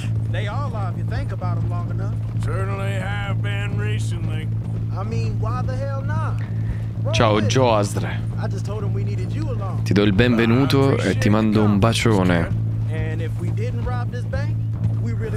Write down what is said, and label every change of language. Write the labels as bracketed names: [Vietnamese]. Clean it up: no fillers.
[English] They all are if you think about them long enough. Certainly have been recently. I mean, why the hell not? [Italian] Ciao, Joasdre. [English] I just told him we needed you along. [Italian] Ti do il benvenuto e ti mando un bacione. [English] And if we didn't rob this bank, we really